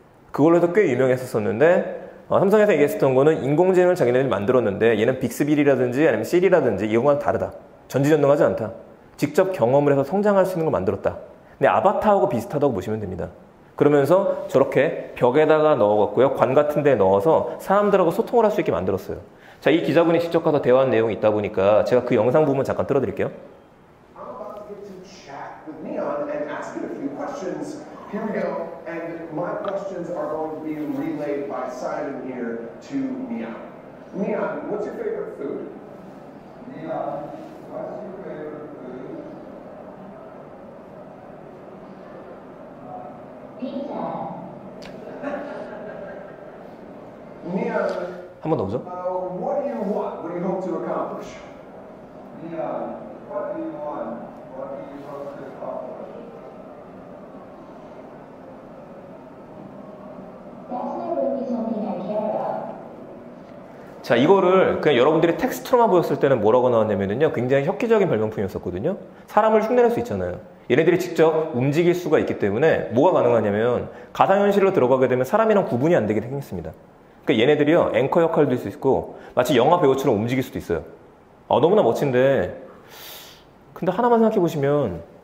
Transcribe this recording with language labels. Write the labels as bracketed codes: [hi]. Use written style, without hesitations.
[ko] 그걸로 해서 꽤 유명했었는데 삼성에서 얘기했었던 거는 인공지능을 자기네들이 만들었는데 얘는 빅스빌이라든지 아니면 시리라든지 이것과는 다르다. 전지전능하지 않다. 직접 경험을 해서 성장할 수 있는 걸 만들었다. 근데 아바타하고 비슷하다고 보시면 됩니다. 그러면서 저렇게 벽에다가 넣어갖고요. 관 같은 데 넣어서 사람들하고 소통을 할 수 있게 만들었어요. 자, 이 기자분이 직접 가서 대화한 내용이 있다 보니까 제가 그 영상 부분 잠깐 틀어드릴게요. [en] I'm about to get to chat with Neon and ask it a few questions. Here we go. And my questions are going to be relayed by Simon here to Neon. Neon, what's your favorite food? Neon, what's your favorite food? Pizza. Neon. [ko] 한번더 보죠. [en] What do you want? What do you hope to accomplish? What do you want? What do you hope to accomplish? That's not really something I care about. [ko] 자, 이거를 그냥 여러분들이 텍스트로만 보였을 때는 뭐라고 나왔냐면요, 굉장히 혁기적인 발명품이었었거든요. 사람을 흉내낼 수 있잖아요. 얘네들이 직접 움직일 수가 있기 때문에 뭐가 가능하냐면 가상현실로 들어가게 되면 사람이랑 구분이 안 되게 생겼습니다. 그러니까 얘네들이요, 앵커 역할도 할 수 있고 마치 영화 배우처럼 움직일 수도 있어요. 너무나 멋진데 근데 하나만 생각해보시면